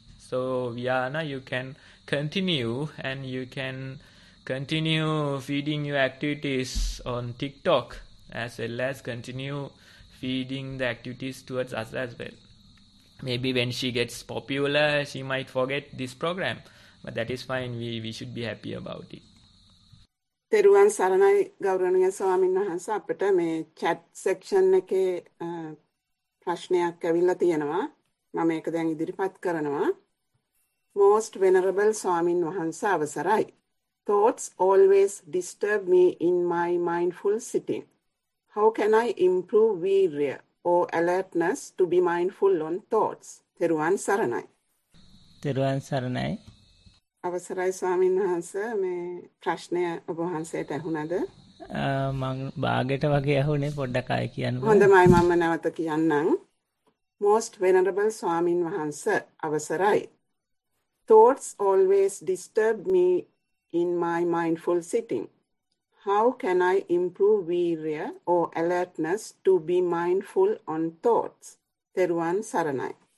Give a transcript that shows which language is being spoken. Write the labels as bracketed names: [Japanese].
[English] So Viana, you can continue, and you can continue feeding your activities on TikTok as well as continue feeding the activities towards us as well. Maybe when she gets popular, she might forget this program. But that is fine. We should be happy about it. [Sinhala] තෙරුවන් සරණයි ගෞරවනීය ස්වාමීන් වහන්ස අපිට මේ chat section එකේ ප්‍රශ්නයක් ඇවිල්ලා තියෙනවා මම ඒක දැන් ඉදිරිපත් කරනවා [English] most venerable [Sinhala] ස්වාමීන් වහන්ස අවසරයි [English] thoughts always disturb me in my mindful sitting how can I improve virya or alertness to be mindful on thoughts [Sinhala] තෙරුවන් සරණයි අවසරයි ස්වාමීන් වහන්ස මේ ප්‍රශ්නය ඔබ වහන්සේට අහුණද මං බාගෙට වගේ අහුනේ පොඩ්ඩක් ආයෙ කියන්න හොඳයි මම නැවත කියන්නම් [English] most venerable [Sinhala] ස්වාමීන් වහන්ස අවසරයි [English] thoughts always disturb me in my mindful sitting how can I improve virya or alertness to be mindful on thoughts [Sinhala] තෙරුවන් සරණයි